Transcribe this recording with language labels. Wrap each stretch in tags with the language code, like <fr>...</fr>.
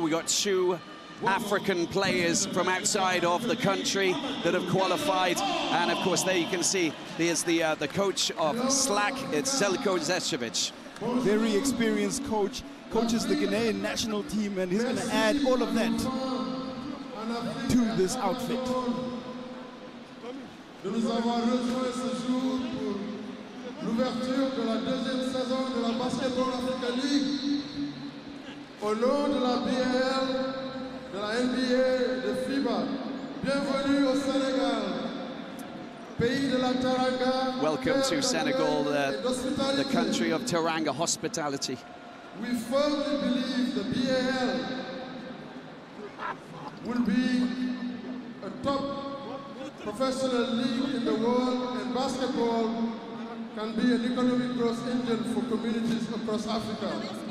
<en>We've got two African players from outside of the country that have qualified. And, of course, there you can see, there's the coach of SLAC. It's Selko Zetsevic. Very experienced coach. Coaches the Ghanaian national team, and he's going to add all of that to this outfit.</en> <fr>De nous avoir rejoints ce jour pour l'ouverture de la deuxième saison de la Basketball Africa League. Au nom de la BAL, de la NBA, de FIBA, bienvenue au Sénégal.</fr> <en>Welcome to Senegal, the country of Taranga hospitality. We firmly believe the BAL will be a top professional league in the world, and basketball can be an economic growth engine for communities across Africa.</en>